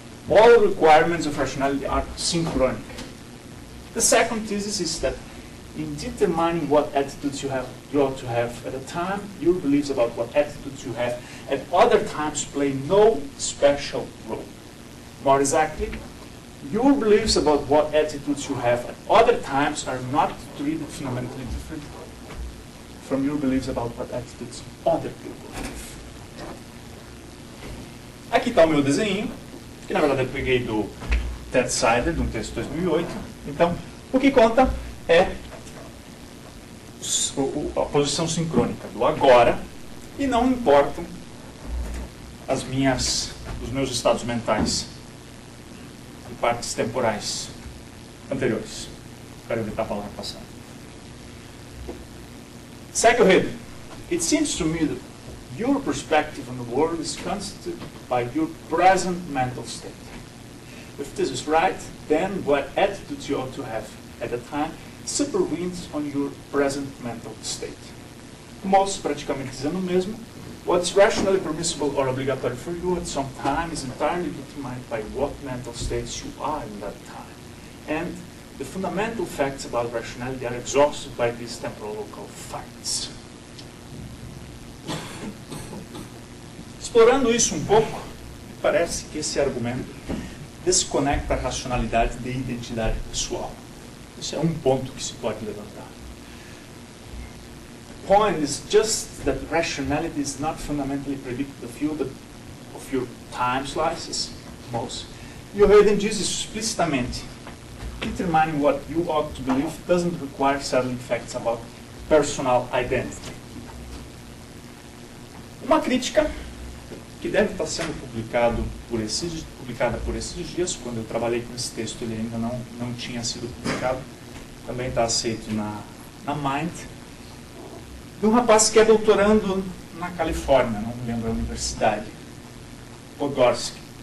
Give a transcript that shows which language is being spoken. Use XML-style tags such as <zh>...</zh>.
<en>All requirements of rationality are synchronic. The second thesis is that in determining what attitudes you ought to have at a time, your beliefs about what attitudes you have at other times play no special role. More exactly, your beliefs about what attitudes you have at other times are not treated fundamentally different from your beliefs about what attitudes other people have.</en> <pt>Aqui está o meu desenho, que na verdade eu peguei do Ted Sider, de um texto de 2008. Então, o que conta é a posição sincrônica do agora, e não importam os meus estados mentais e partes temporais anteriores. Quero evitar a palavra passada. Segue o Hayden.</pt> <en>It seems to me that your perspective on the world is constituted by your present mental state. If this is right, then what attitude you ought to have at the time supervenes on your present mental state.</en> <pt>Moss praticamente dizendo o mesmo.</pt> <en>What's rationally permissible or obligatory for you at some time is entirely determined by what mental states you are in that time. And the fundamental facts about rationality are exhausted by these temporal local facts.</en> <pt>Explorando isso um pouco, parece que esse argumento desconecta a racionalidade de identidade pessoal. Isso é um ponto que se pode levantar.</pt> <en>The point is just that rationality is not fundamentally predictive of you, but of your time slices, most.</en> <pt>E o Hayden diz isso explicitamente.</pt> <en>Determining what you ought to believe doesn't require settling facts about personal identity.</en> <pt>Uma crítica que deve estar sendo publicada por esses dias, quando eu trabalhei com esse texto ele ainda não tinha sido publicado, também está aceito na Mind, de um rapaz que é doutorando na Califórnia, não me lembro a universidade, Podgorski.</pt>